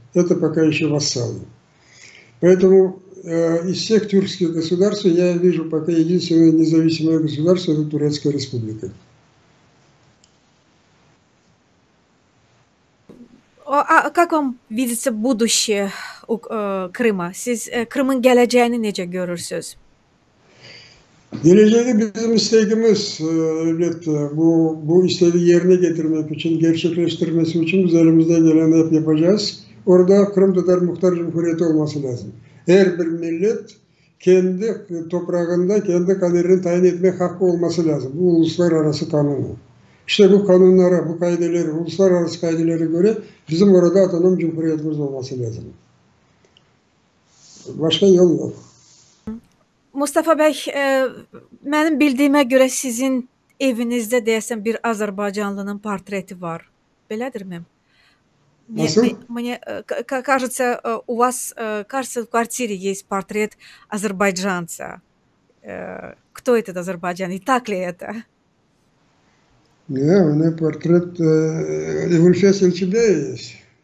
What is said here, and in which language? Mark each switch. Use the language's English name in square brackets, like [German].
[Russian] Это пока еще вассалы. Поэтому из всех тюркских государств я вижу пока единственное независимое государство – это Турецкая Республика. А как вам видится будущее Крыма? [Turkish] Siz Крым'ın geleceğini nece görürsünüz? Geleceği bizim isteğimiz, evet, bu istediği yerine getirmek için, gerçekleştirmesi için biz elimizden geleni hep yapacağız. Orada Kırım Tatar Muhtar Cumhuriyeti olması lazım. Her bir millet kendi toprağında kendi kaderini tayin etme hakkı olması lazım. Bu uluslararası kanunu. İşte bu kanunlara, bu kaideleri, uluslararası kaidelere göre bizim orada otonom cumhuriyetimiz olması lazım. Başka yol yok. [Azerbaijani] Mustafa Bey, mənim bildiyimə görə sizin evinizdə deyəsən bir Azərbaycanlının portreti var. Belədirmi? [Turkish] Nasıl? [Russian] Мне кажется, у вас, кажется, в квартире есть портрет азербайджанца. Кто этот азербайджан? И так ли это? Не, у меня портрет Ульфеса Чебея есть.